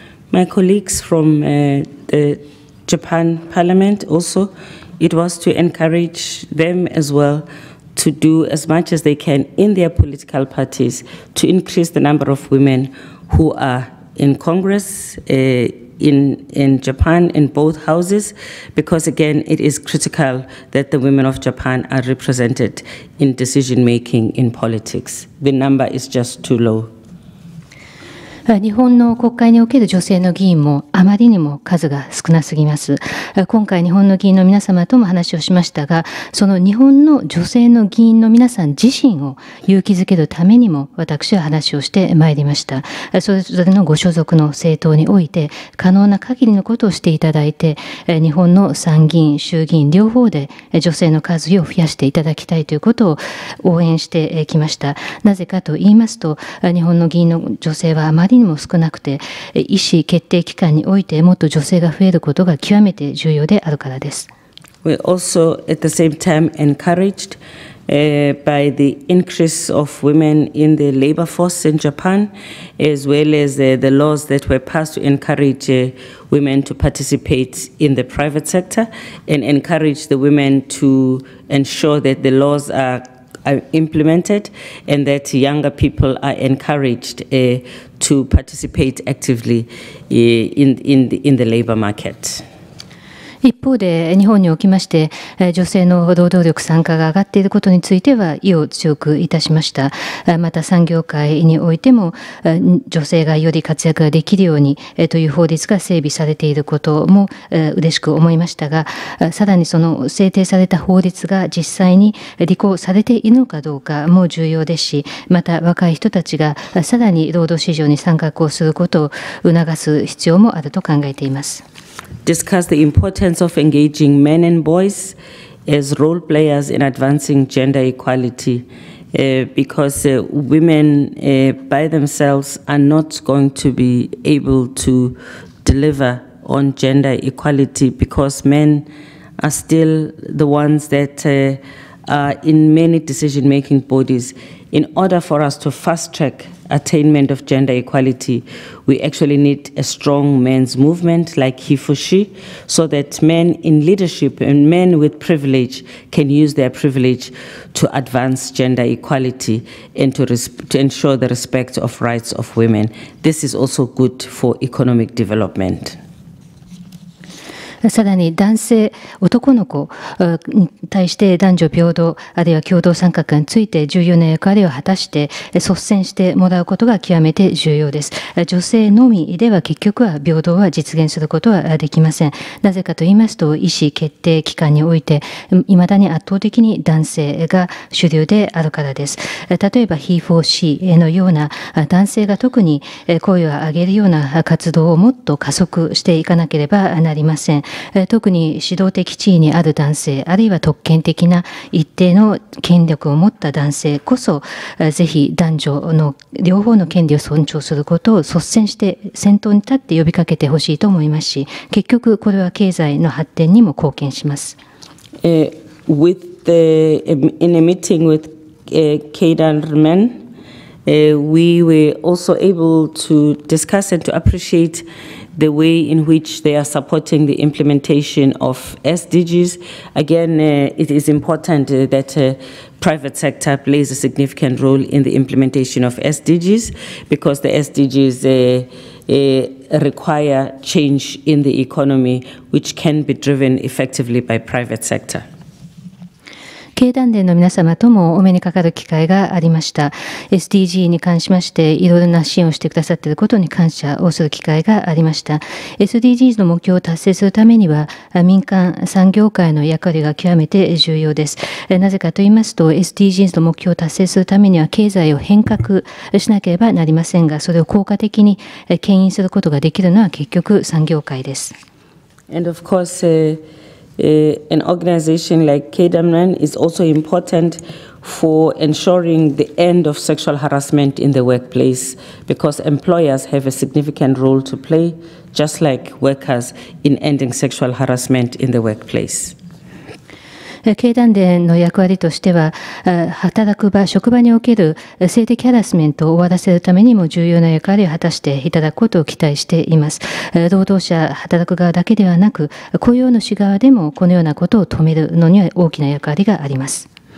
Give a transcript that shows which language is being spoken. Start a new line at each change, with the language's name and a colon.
English: My colleagues from the Japan Parliament also, it was to encourage them as well to do as much as they can in their political parties to increase the number of women who areIn Congress, in Japan, in both houses, because again, it is critical that the women of Japan are represented in decision making in politics. The number is just too low.
Japanese: 日本の国会における女性の議員もあまりにも数が少なすぎます。今回日本の議員の皆様とも話をしましたが、その日本の女性の議員の皆さん自身を勇気づけるためにも私は話をしてまいりました。それぞれのご所属の政党において可能な限りのことをしていただいて、日本の参議院、衆議院両方で女性の数を増やしていただきたいということを応援してきました。なぜかと言いますと、日本の議員の女性はあまりにも少なくて、意思決定機関においてもっと女性が増えることが極めて重要であるからです。
English: We also at the same time encouraged by the increase of women in the labor force in Japan, as well as the laws that were passed to encourage women to participate in the private sector and encourage the women to ensure that the laws are implemented and that younger people are encouraged to participate actively in the labor market.
Japanese: 一方で日本におきまして女性の労働力参加が上がっていることについては意を強くいたしました。また産業界においても女性がより活躍ができるようにという法律が整備されていることも嬉しく思いましたが、さらにその制定された法律が実際に履行されているのかどうかも重要ですし、また若い人たちがさらに労働市場に参画をすることを促す必要もあると考えています。
English: Discuss the importance of engaging men and boys as role players in advancing gender equality, because women by themselves are not going to be able to deliver on gender equality because men are still the ones that are in many decision-making bodies. In order for us to fast-track attainment of gender equality, we actually need a strong men's movement like HeForShe so that men in leadership and men with privilege can use their privilege to advance gender equality and to ensure the respect of rights of women. This is also good for economic development.
Japanese: さらに男性、男の子に対して男女平等あるいは共同参画について重要な役割を果たして率先してもらうことが極めて重要です。女性のみでは結局は平等は実現することはできません。なぜかと言いますと意思決定機関においていまだに圧倒的に男性が主流であるからです。例えば HeForShe のような男性が特に声を上げるような活動をもっと加速していかなければなりません。特に指導的地位にある男性あるいは特権的な一定の権力を持った男性こそぜひ男女の両方の権利を尊重することを率先して先頭に立って呼びかけてほしいと思いますし、結局これは経済の発展にも貢献します。
English: with the, In a meeting with Kedar Men, we were also able to discuss and to appreciateThe way in which they are supporting the implementation of SDGs. Again, it is important that private sector plays a significant role in the implementation of SDGs because the SDGs require change in the economy, which can be driven effectively by private sector.
Japanese: 経団連の皆様ともお目にかかる機会がありました。 SDG に関しましていろいろな支援をしてくださっていることに感謝をする機会がありました。 SDGs の目標を達成するためには民間産業界の役割が極めて重要です。なぜかと言いますと SDGs の目標を達成するためには経済を変革しなければなりませんが、それを効果的に牽引することができるのは結局産業界です。
English: And of course, An organization like Kedamran is also important for ensuring the end of sexual harassment in the workplace because employers have a significant role to play, just like workers, in ending sexual harassment in the workplace.
Japanese: 経団連の役割としては働く場、職場における性的ハラスメントを終わらせるためにも重要な役割を果たしていただくことを期待しています。労働者、働く側だけではなく雇用主側でもこのようなことを止めるのには大きな役割があります。